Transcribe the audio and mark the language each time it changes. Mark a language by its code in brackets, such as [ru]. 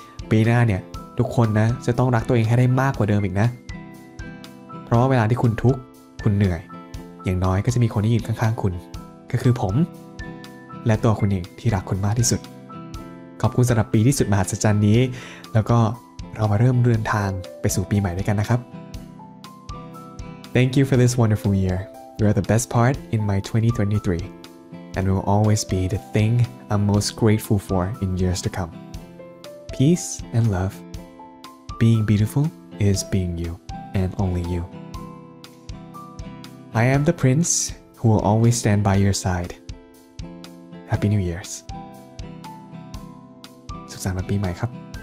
[th] ปีหน้าเนี่ยทุกคนนะจะต้องรักตัวเองให้ได้มากกว่าเดิมอีกนะเพราะว่าเวลาที่คุณทุกข์คุณเหนื่อยอย่างน้อยก็จะมีคนที่ยืนข้างๆคุณก็คือผมและตัวคุณเองที่รักคุณมากที่สุดขอบคุณสำหรับปีที่สุดมหัศจรรย์นี้แล้วก็เรามาเริ่มเดินทางไปสู่ปีใหม่ด้วยกันนะครับ [en] Thank you for this wonderful year. You are the best part in my 2023 and will always be the thing I'm most grateful for in years to come. Peace and love. Being beautiful is being you and only you. I am the prince who will always stand by your side. Happy New Year's. [th] สำหรับปีใหม่ครับ